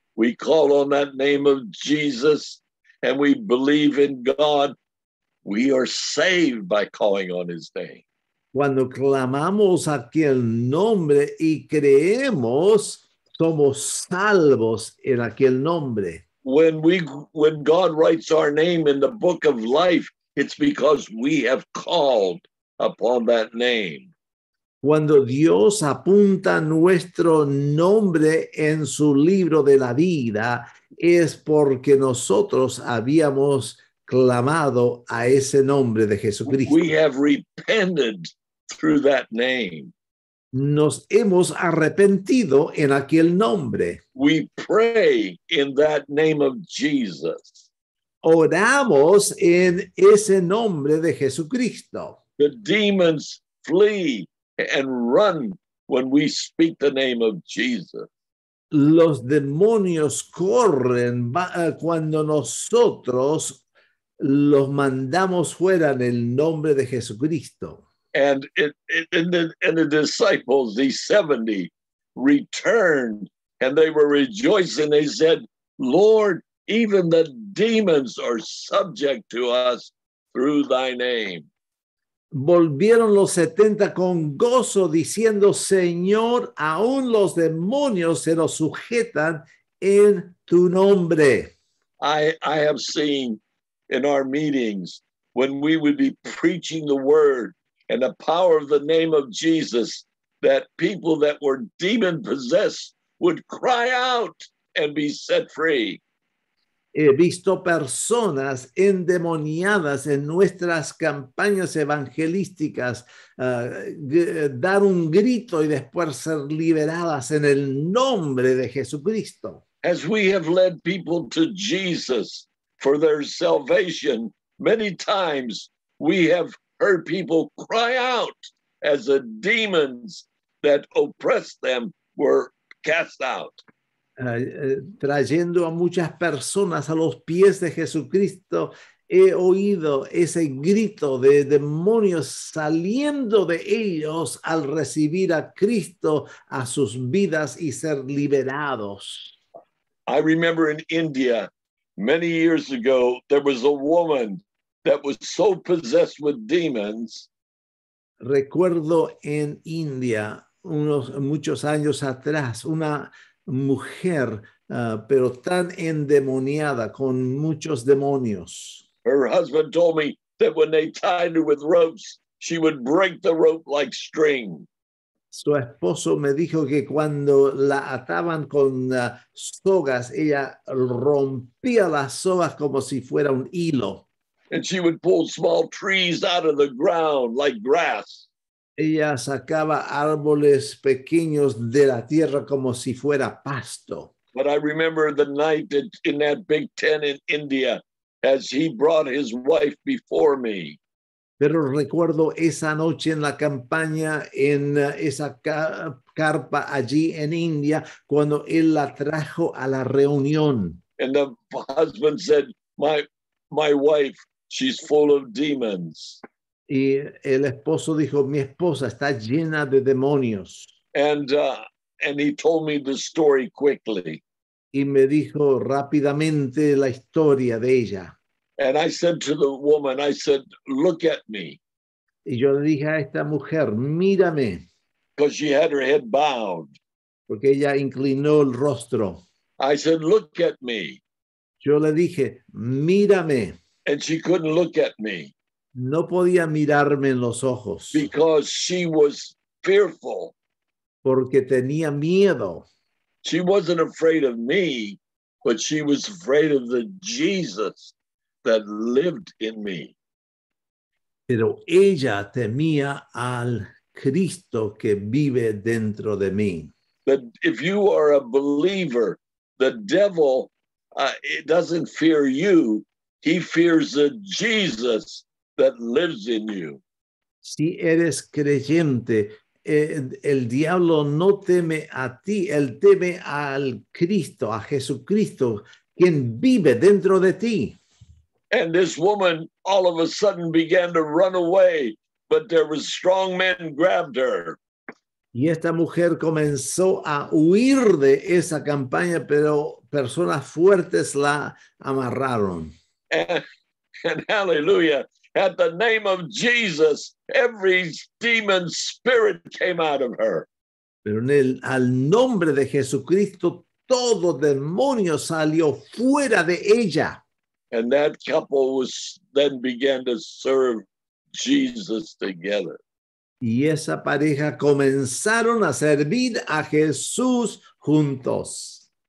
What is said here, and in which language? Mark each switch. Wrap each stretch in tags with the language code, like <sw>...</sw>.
<en>We call on that name of Jesus and we believe in God. We are saved by calling on his name.</en> <es>Cuando clamamos aquel nombre y creemos, somos salvos en aquel nombre.</es> <en>When God writes our name in the book of life, it's because we have called upon that name.</en> <es>Cuando Dios apunta nuestro nombre en su libro de la vida, es porque nosotros habíamos clamado a ese nombre de Jesucristo.</es> <en>We have repented through that name.</en> <es>Nos hemos arrepentido en aquel nombre.</es> <en>We pray in that name of Jesus.</en> <es>Oramos en ese nombre de Jesucristo.</es> <en>The demons flee and run when we speak the name of Jesus.</en> <es>Los demonios corren cuando nosotros los mandamos fuera en el nombre de Jesucristo.</es> <en>And the disciples, these 70, returned, and they were rejoicing. They said, Lord, even the demons are subject to us through thy name.</en> <es>Volvieron los 70 con gozo, diciendo, Señor, aún los demonios se nos sujetan en tu nombre.</es> <en>I have seen in our meetings, when we would be preaching the word, and the power of the name of Jesus, that people that were demon-possessed would cry out and be set free.</en> <es>He visto personas endemoniadas en nuestras campañas evangelísticas dar un grito y después ser liberadas en el nombre de Jesucristo.</es> <en>As we have led people to Jesus for their salvation, many times we have heard people cry out as the demons that oppressed them were cast out.</en> <es>Trayendo a muchas personas a los pies de Jesucristo, he oído ese grito de demonios saliendo de ellos al recibir a Cristo a sus vidas y ser liberados.</es> <en>I remember in India, many years ago, there was a woman that was so possessed with demons.</en> <es>Recuerdo en India, muchos años atrás, una mujer, pero tan endemoniada, con muchos demonios.</es> <en>Her husband told me that when they tied her with ropes, she would break the rope like string.</en> <es>Su esposo me dijo que cuando la ataban con sogas, ella rompía las sogas como si fuera un hilo.</es> <en>And she would pull small trees out of the ground like grass.</en> <es>Ella sacaba árboles pequeños de la tierra como si fuera pasto.</es> <en>But I remember the night that in that big tent in India, as he brought his wife before me.</en> <es>Pero recuerdo esa noche en la campaña, en esa carpa allí en India, cuando él la trajo a la reunión.</es> <en>And the husband said, my wife, she's full of demons.</en> <es>Y el esposo dijo, mi esposa está llena de demonios.</es> <en>And he told me the story quickly.</en> <es>Y me dijo rápidamente la historia de ella.</es> <en>And I said to the woman, I said, look at me.</en> <es>Y yo le dije a esta mujer, mírame,</es> <en>Because she had her head bowed.</en> <es>porque ella inclinó el rostro.</es> <en>I said, look at me.</en> <es>Yo le dije, mírame.</es> <en>And she couldn't look at me</en> <es>No podía mirarme en los ojos</es> <en>because she was fearful.</en> <es>porque tenía miedo.</es> <en>She wasn't afraid of me, but she was afraid of the Jesus that lived in me.</en> <es>Pero ella temía al Cristo que vive dentro de mí.</es> <en>That if you are a believer, the devil, it doesn't fear you. He fears the Jesus that lives in you.</en> <es>Si eres creyente, el diablo no teme a ti, él teme al Cristo, a Jesucristo, quien vive dentro de ti.</es> <en>And this woman all of a sudden began to run away, but there was strong men grabbed her.</en> <es>Y esta mujer comenzó a huir de esa campaña, pero personas fuertes la amarraron.</es> <en>And hallelujah, at the name of Jesus, every demon spirit came out of her.</en> <es>Pero al nombre de Jesucristo, todo demonio salió fuera de ella.</es> <en>And that couple was then began to serve Jesus together.</en> <es>Y esa pareja comenzaron a servir a Jesús juntos.</es>